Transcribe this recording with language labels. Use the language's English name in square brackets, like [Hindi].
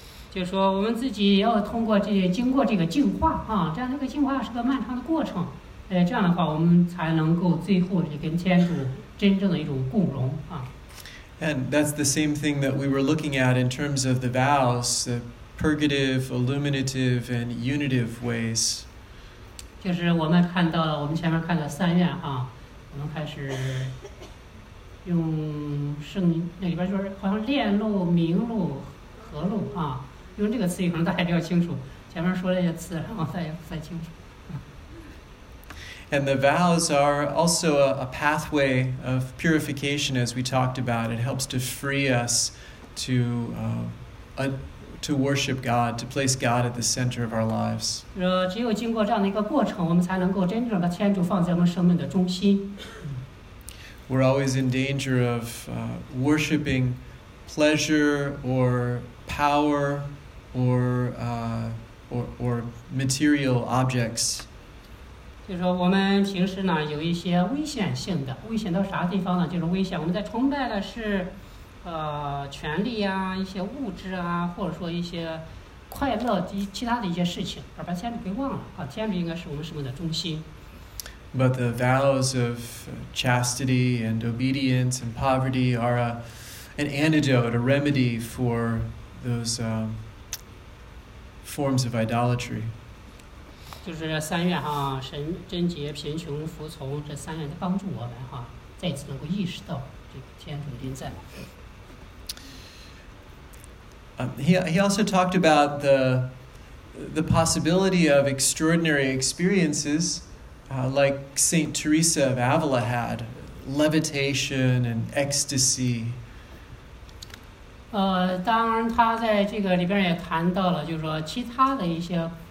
[Chinese] 就说我们自己要通过这经过这个净化啊，这样这个净化是个漫长的过程，这样的话我们才能够最后跟天主真正的一种共融啊。 [English] And that's the same thing that we were looking at in terms of the vows, the purgative, illuminative, and unitive ways. [Chinese] 就是我们看到了，我们前面看到三愿啊，我们开始用圣那里边就是好像炼露、明露、和露啊，用这个词语可能大家比较清楚。前面说这些词，然后再清楚。 [English] And the vows are also a pathway of purification, as we talked about. It helps to free us to worship God, to place God at the center of our lives. [Chinese] 只有经过这样的一个过程，我们才能够真正把天主放在我们生命的中心。 [English] We're always in danger of worshiping pleasure or power or material objects. [Chinese] 就是说我们平时呢有一些危险性的，危险到啥地方呢？就是危险，我们在崇拜的是权力啊，一些物质啊，或者说一些快乐的其他的一些事情，而把天主给忘了啊。天主应该是我们生命的中心。 [English] But the vows of chastity and obedience and poverty are an antidote, a remedy for those forms of idolatry. [Chinese] 就是三愿哈，神、贞洁、贫穷、服从，这三愿都帮助我们哈，再一次能够意识到这个天主的临在。 [English] He also talked about the possibility of extraordinary experiences, like Saint Teresa of Avila had, levitation and ecstasy. [Chinese] 当然他在这个里边也谈到了，就是说其他的一些。